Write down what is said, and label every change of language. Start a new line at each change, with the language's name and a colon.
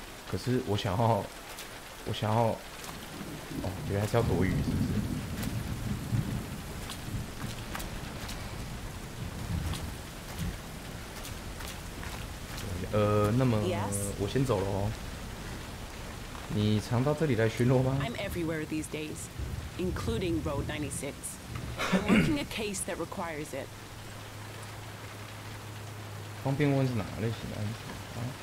Chinese: 可是我想要，哦，原来是要躲雨，是不是？那么、我先走了哦。你常到这里来巡逻吗
English: ？I'm everywhere these days, including Road 96. I'm working a case that requires it.
Chinese: 方便问是哪个类型的案子啊？